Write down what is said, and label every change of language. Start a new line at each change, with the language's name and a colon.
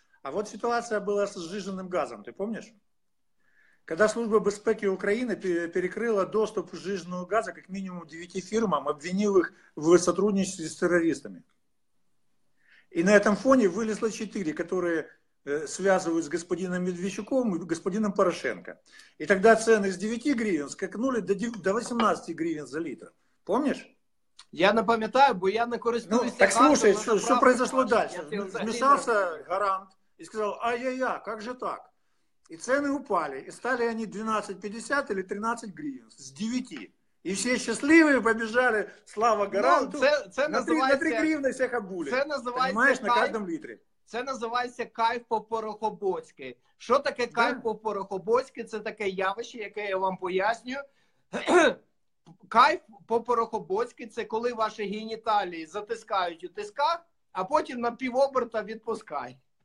Russian: А вот ситуация была с сжиженным газом, ты помнишь? Когда служба безпеки Украины перекрыла доступ к сжиженному газу как минимум 9 фирмам, обвинив их в сотрудничестве с террористами. И на этом фоне вылезло 4, которые связывают с господином Медведчуком и господином Порошенко. И тогда цены с 9 гривен скакнули до 18 гривен за литр. Помнишь?
Ukrainian: Я не пам'ятаю, бо я не користуюся.
Russian: Ну, так слушай, що произошло дальше? Вмешался гарант и сказал, ай-яй-яй, как же так? И цены упали, и стали они 12,50 или 13 гривен с 9. И все счастливые побежали, слава гаранту, ну, на 3 гривни всех обули.
Ukrainian: Це називається,
Russian: понимаешь, на каждом литре.
Ukrainian: Це називається кайф по-порохобоцьки. Що таке кайф по-порохобоцьки? Це таке явище, яке я вам пояснюю. Кайф по-порохобоцьки – це коли ваші геніталії затискають у тисках, а потім на півоберта відпускають.